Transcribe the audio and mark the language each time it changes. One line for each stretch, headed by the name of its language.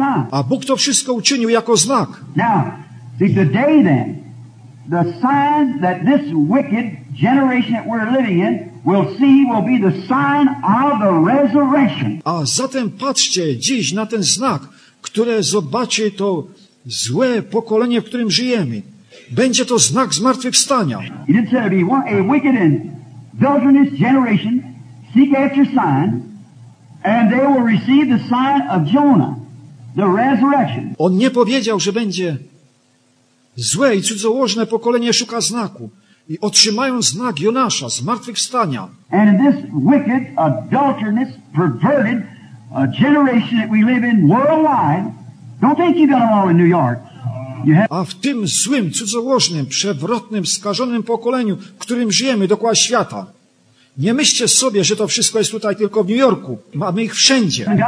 Polish: A Bóg to wszystko uczynił jako znak.
English: Now, see, today then, the sign that this wicked generation that we're living in will see will be the sign of the resurrection.
Polish: A zatem patrzcie dziś na ten znak, który zobaczy to złe pokolenie, w którym żyjemy. Będzie to znak zmartwychwstania.
English: He didn't say it'll be a wicked and adulterous generation seek after sign, and they will receive the sign of Jonah. The resurrection.
Polish: On nie powiedział, że będzie złe i cudzołożne pokolenie szuka znaku i otrzymają znak Jonasza, zmartwychwstania.
English: And in this wicked, adulterous, perverted generation that we live in worldwide, don't think you got them all in New York.
Polish: A w tym złym, cudzołożnym, przewrotnym, skażonym pokoleniu, w którym żyjemy dookoła świata, nie myślcie sobie, że to wszystko jest tutaj tylko w New Yorku. Mamy ich wszędzie.